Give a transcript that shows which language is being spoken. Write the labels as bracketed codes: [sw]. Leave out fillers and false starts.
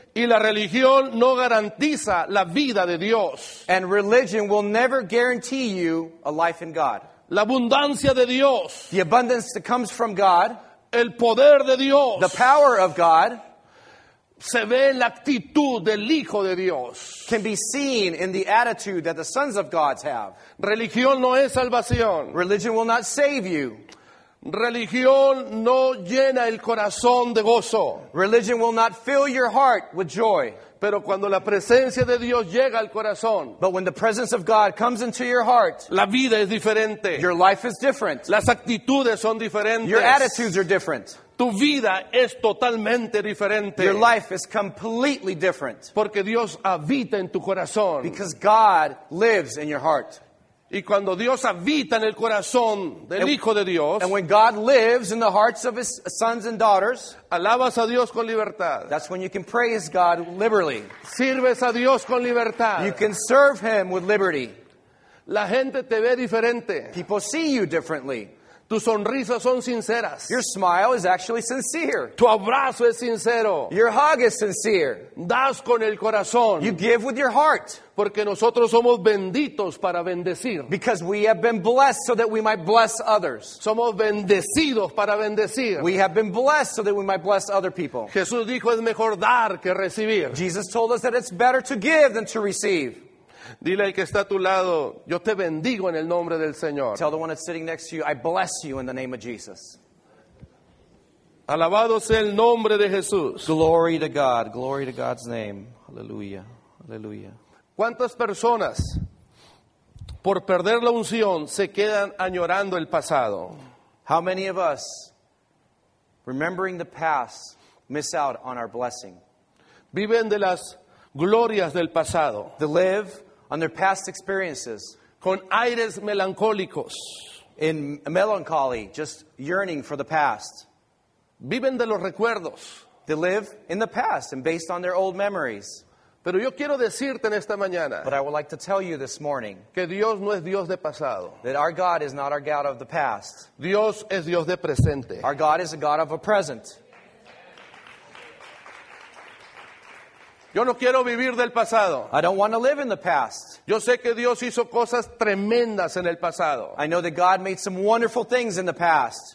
[es] Y la religión no garantiza la vida de Dios. [en] And religion will never guarantee you a life in God. [es] La abundancia de Dios. [en] The abundance that comes from God. [es] El poder de Dios. [en] The power of God. [es] Se ve en la actitud del Hijo de Dios. [en] Can be seen in the attitude that the sons of God have. [es] Religión no es salvación. [en] Religion will not save you. [es] Religión no llena el corazón de gozo. [en] Religion will not fill your heart with joy. [es] Pero cuando la presencia de Dios llega al corazón, [en] but when the presence of God comes into your heart, [es] la vida es diferente. [en] Your life is different. [es] Las actitudes son diferentes. [en] Your attitudes are different. [es] Tu vida es totalmente diferente. [en] Your life is completely different. [es] Porque Dios habita en tu corazón. [en] Because God lives in your heart. [es] Y cuando Dios habita en el corazón del Hijo de Dios, [en] and when God lives in the hearts of his sons and daughters, [es] alabas a Dios con libertad. [en] That's when you can praise God liberally. [es] Sirves a Dios con libertad. [en] You can serve him with liberty. [es] La gente te ve diferente. [en] People see you differently. [es] Tus sonrisas son sinceras. [en] Your smile is actually sincere. [es] Tu abrazo es sincero. [en] Your hug is sincere. [es] Das con el corazón. [en] You give with your heart. [es] Porque nosotros somos benditos para bendecir. [en] Because we have been blessed so that we might bless others. [es] Somos bendecidos para bendecir. [en] We have been blessed so that we might bless other people. [es] Jesús dijo, es mejor dar que recibir. [en] Jesus told us that it's better to give than to receive. [es] Dile al que está a tu lado, yo te bendigo en el nombre del Señor. [en] Tell the one that's sitting next to you, I bless you in the name of Jesus. [es] Alabado sea el nombre de Jesús. [en] Glory to God, glory to God's name. Aleluya, aleluya. [es] ¿Cuántas personas, por perder la unción, se quedan añorando el pasado? [en] How many of us, remembering the past, miss out on our blessing? [es] Viven de las glorias del pasado. [en] They live on their past experiences. [es] Con aires melancólicos. [en] In melancholy, just yearning for the past. [es] Viven de los recuerdos. [en] They live in the past and based on their old memories. [es] Pero yo quiero decirte en esta mañana. [en] But I would like to tell you this morning. [es] Que Dios no es Dios de pasado. [en] That our God is not our God of the past. [es] Dios es Dios de presente. [en] Our God is a God of a present. [es] Yo no quiero vivir del pasado. [en] I don't want to live in the past. [es] Yo sé que Dios hizo cosas tremendas en el pasado. [en] I know that God made some wonderful things in the past.